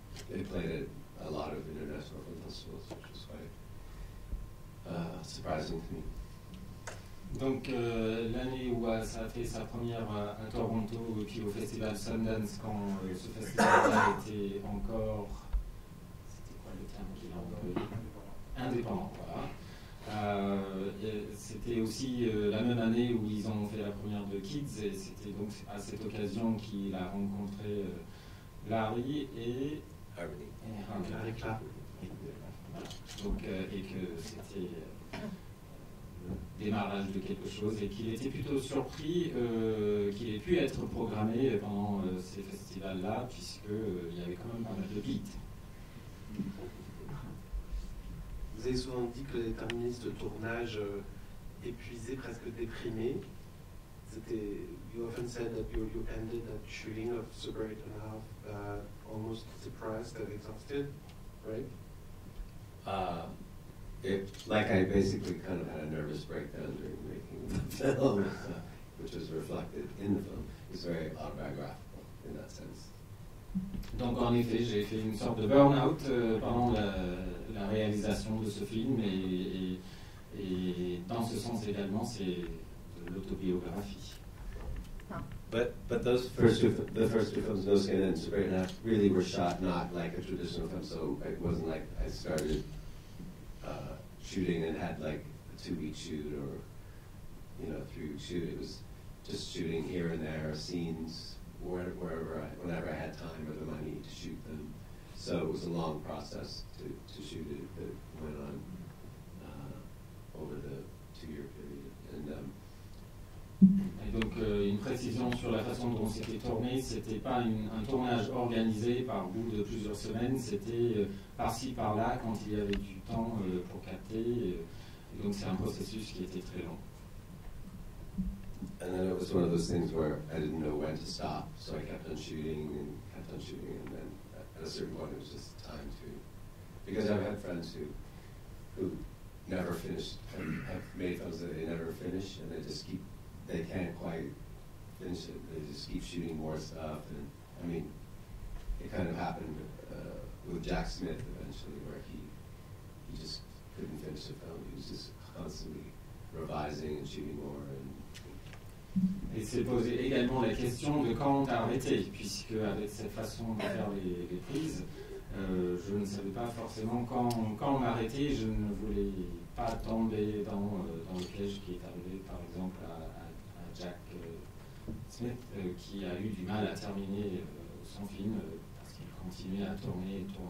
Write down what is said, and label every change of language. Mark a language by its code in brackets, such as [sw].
[en] They played it a lot of international film festivals, which was quite surprising to me. [fr] Donc l'année où ça a fait sa première à Toronto, et puis au festival Sundance, quand ce festival-là était encore, c'était quoi le terme qu'il a employé, indépendant, voilà. C'était aussi la même année où ils ont fait la première de Kids, et c'était donc à cette occasion qu'il a rencontré Larry et Harmony. Et Harmony. donc, et que c'était le démarrage de quelque chose, et qu'il était plutôt surpris qu'il ait pu être programmé pendant ces festivals-là, puisqu'il y avait quand même pas mal de beats. Vous avez souvent dit que les terministes de tournage épuisés, presque déprimés, c'était... [en] You often said that you ended that shooting of Super 8 and a Half almost depressed and exhausted, right? I basically kind of had a nervous breakdown during making the film, which is reflected in the film. It's very autobiographical in that sense. [fr] Donc en effet, j'ai fait une sorte de burn-out pendant la réalisation de ce film, et dans ce sens également, c'est de l'autobiographie. [en] But those first two films, No Skin and Super 8 and a Half, really were shot not like a traditional film, so it wasn't like I started shooting and had like a 2-week shoot or, you know, 3-week shoot. It was just shooting here and there, scenes, whenever I had time or the money to shoot them. So it was a long process to shoot it that went on over the 2-year period. [fr] Et donc une précision sur la façon dont c'était tourné, c'était pas un tournage organisé par bout de plusieurs semaines, c'était par-ci, par-là, quand il y avait du temps pour capter. Donc c'est un processus qui était très long. [en] And then it was one of those things where I didn't know when to stop, so I kept on shooting, and then at a certain point it was just time to... Because I've had friends who never finished, have made films that they never finish, and they can't quite finish it. They just keep shooting more stuff. And I mean, it kind of happened with Jack Smith eventually, where he just couldn't finish the film. He was just constantly revising and shooting more. [fr] Et s'est posé également la question de quand arrêter, puisque avec cette façon de faire les prises, je ne savais pas forcément quand m'arrêter. Je ne voulais pas tomber dans le piège qui est arrivé, par exemple, à Jack Smith, qui a eu du mal à terminer son film parce qu'il continuait à tourner.